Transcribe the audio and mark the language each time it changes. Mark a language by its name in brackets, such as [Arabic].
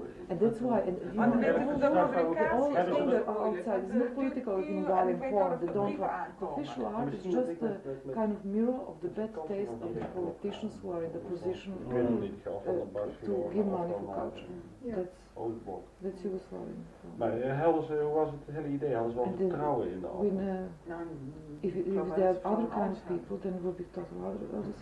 [English] And that's why, and you know, the only thing outside is not political in Hungarian form, they don't want. Official art is just a kind of mirror of the bad taste of the politicians who are in the position to give money for culture. That's Yugoslavian. [Dutch] Maar hadden ze, was het hele idee, hadden ze wel vertrouwen in de ander? [English] If there are other kinds of people, then we'll be talking about other